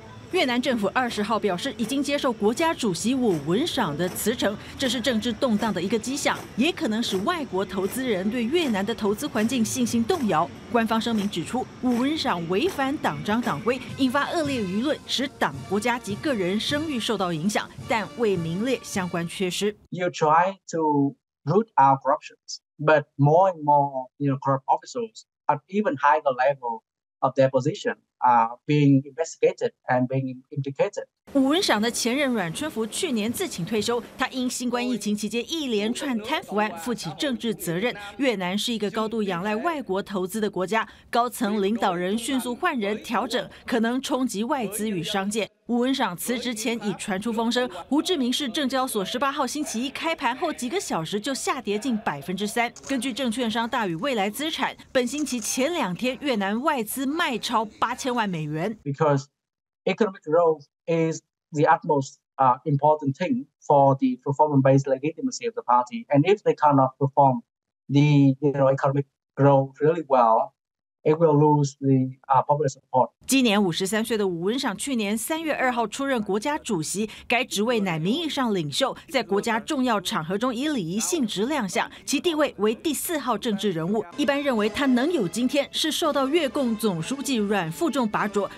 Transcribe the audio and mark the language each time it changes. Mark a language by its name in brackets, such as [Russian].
[Chinese] 越南政府20号表示，已经接受国家主席伍文赏的辞呈，这是政治动荡的一个迹象，也可能使外国投资人对越南的投资环境信心动摇。官方声明指出，伍文赏违反党章党规，引发恶劣舆论，使党、国家及个人声誉受到影响，但未名列相关缺失。 [English] You try to root out corruptions, but more and more, corrupt officers at even higher level of their position. Being investigated and being implicated. [Chinese] 伍文赏的前任阮春福去年自请退休，他因新冠疫情期间一连串贪腐案负起政治责任。越南是一个高度仰赖外国投资的国家，高层领导人迅速换人调整，可能冲击外资与商界。伍文赏辞职前已传出风声，胡志明市证交所18号星期一开盘后几个小时就下跌近3%。根据证券商大宇未来资产，本星期前2天越南外资卖超8000万美元。 [English] Because economic growth is the utmost important thing for the performance-based legitimacy of the party, and if they cannot perform the economic growth really well. It will lose the public support. [Chinese] 今年53岁的伍文赏，去年3月2号出任国家主席，该职位乃名义上领袖，在国家重要场合中以礼仪性质亮相，其地位为第4号政治人物。一般认为他能有今天，是受到越共总书记阮富仲拔擢。